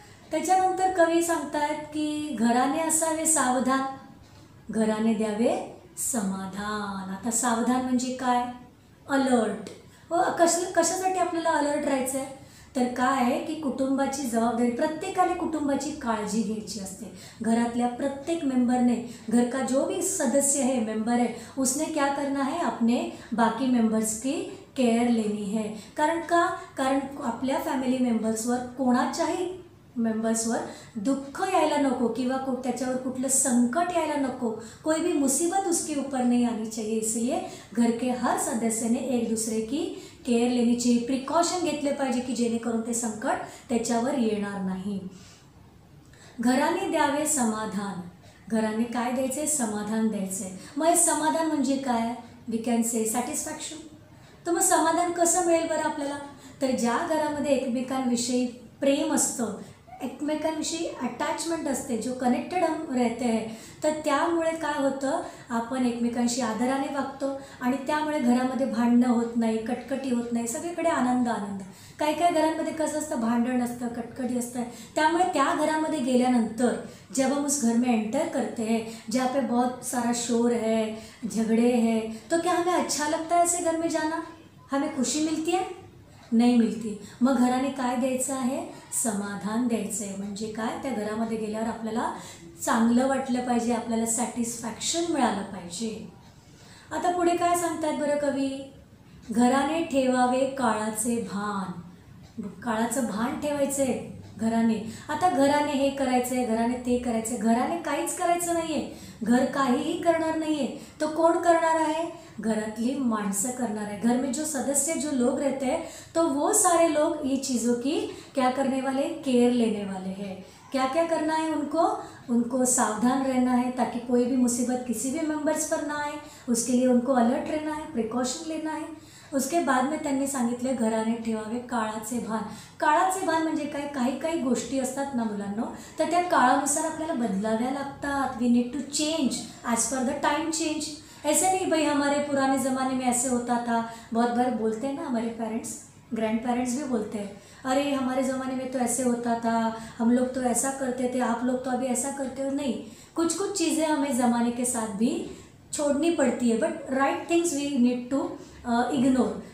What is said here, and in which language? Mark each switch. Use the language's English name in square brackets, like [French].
[Marathi] त्याच्यानंतर कवी सांगतात की घराने असावे सावधान, घराने द्यावे समाधान. आता सावधान म्हणजे काय? अलर्ट. कशासाठी आपल्याला अलर्ट राहायचं आहे? तर काय की कुटुंबाची जबाबदारी, प्रत्येकाने कुटुंबाची काळजी घ्यायची असते. घरातल्या प्रत्येक मेंबरने, [Hindi] घर का जो भी सदस्य है, मेंबर है, उसने क्या करना है, अपने बाकी मेंबर्स की केअर लेनी है. [Marathi] कारण का? कारण आपल्या फॅमिली मेंबर्सवर, कोणाच्याही मेंबर्सवर दुःख यायला नको किंवा त्याच्यावर कुठलं संकट यायला नको, [Hindi] कोई भी मुसीबत उसके ऊपर नाही आली चाहिए. इसलिए घर के हर सदस्याने एक दुसरे की केअर लेनी चाहिए, [Marathi] प्रिकॉशन घेतले पाहिजे की जेणेकरून ते संकट त्याच्यावर येणार नाही. घराने द्यावे समाधान. घराने काय द्यायचं आहे? समाधान द्यायचं आहे. मग समाधान म्हणजे काय? [English] We can say satisfaction. [Marathi] तर मग समाधान कसं मिळेल बरं आपल्याला? तर ज्या घरामध्ये एकमेकांविषयी प्रेम असतं, एकमेकांविषयी अटॅचमेंट असते, जो कनेक्टेड राहते आहे, तर त्यामुळे काय होतं, आपण एकमेकांशी आदराने वागतो आणि त्यामुळे घरामध्ये भांडणं होत नाही, कटकटी होत नाही, सगळीकडे आनंद आनंद. काही काही घरांमध्ये कसं असतं, भांडण असतं, कटकटी असतं, त्यामुळे त्या घरामध्ये गेल्यानंतर जेव्हा [Hindi] उस घर में एंटर करते हैं, जहाँ पे बहुत सारा शोर है, झगड़े हैं, तो क्या हमें अच्छा लगता है ऐसे घर में जाना? हमें खुशी मिलती है? [Marathi] नाही मिळती. मग घराने काय द्यायचं आहे? समाधान द्यायचं आहे. म्हणजे काय? त्या घरामध्ये गेल्यावर आपल्याला चांगलं वाटलं पाहिजे, आपल्याला सॅटिस्फॅक्शन मिळालं पाहिजे. आता पुढे काय सांगतात बरं कवी? घराने ठेवावे काळाचे भान. काळाचं भान ठेवायचं आहे घराने. आता घराने हे करायचं आहे, घराने ते करायचं आहे, घराने काहीच करायचं नाही आहे, घर काहीही करणार नाही आहे, तर कोण करणार आहे? घरातली माणसं करणार आहे. [Hindi] घर में जो सदस्य, जो लोग रहते हैं, तो वो सारे लोग ये चीज़ों की क्या करने वाले, केयर लेने वाले हैं. क्या क्या करना है उनको? उनको सावधान रहना है ताकि कोई भी मुसीबत किसी भी मेंबर्स पर ना आए, उसके लिए उनको अलर्ट रहना है, प्रिकॉशन लेना है. उसके बाद में [Marathi] त्यांनी सांगितलं घराने ठेवावे काळाचे भान. काळाचे भान म्हणजे काय? काही काही गोष्टी असतात ना मुलांनो, तर त्या काळानुसार आपल्याला बदलाव्या लागतात. [English] We need to change as per the time change. [Hindi] ऐसे नहीं भाई हमारे पुराने जमाने में ऐसे होता था. बहुत बार बोलते हैं ना हमारे पेरेंट्स, ग्रैंड पेरेंट्स भी बोलते हैं, अरे हमारे ज़माने में तो ऐसे होता था, हम लोग तो ऐसा करते थे, आप लोग तो अभी ऐसा करते हो. नहीं, कुछ कुछ चीज़ें हमें ज़माने के साथ भी छोड़नी पड़ती है, [English] But right things we need to ignore.